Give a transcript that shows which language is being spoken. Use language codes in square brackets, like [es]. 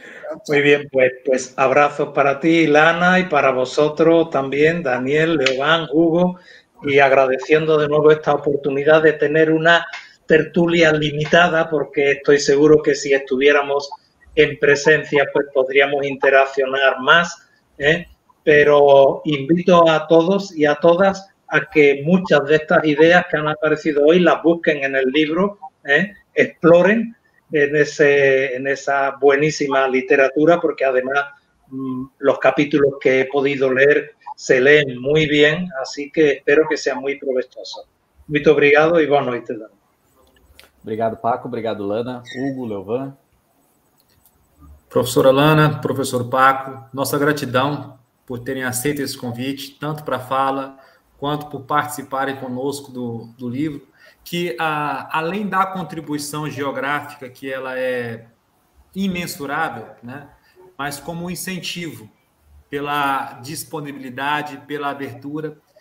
[pt] Muito bem, pues abraço para ti, Lana, e [es] para vosotros [pt] também, Daniel, Leovan, Hugo, e [es] agradeciendo [pt] de novo esta oportunidade de ter uma tertulia limitada, porque estou seguro que se estivéssemos em presença, [es] pues podríamos interaccionar [pt] mais. [es] Pero invito a todos y a todas a que muchas de estas ideas que han aparecido hoy las busquen en el libro, exploren en esa buenísima literatura, porque además los capítulos que he podido leer se leen muy bien, así que espero que sea muy provechoso. [pt] Muito obrigado y boa noite. Obrigado, Paco. Obrigado, Lana. Hugo, Leovan. Professora Lana, professor Paco, nossa gratidão por terem aceito esse convite, tanto para a fala, quanto por participarem conosco do livro, que além da contribuição geográfica, que ela é imensurável, né, mas como um incentivo pela disponibilidade, pela abertura.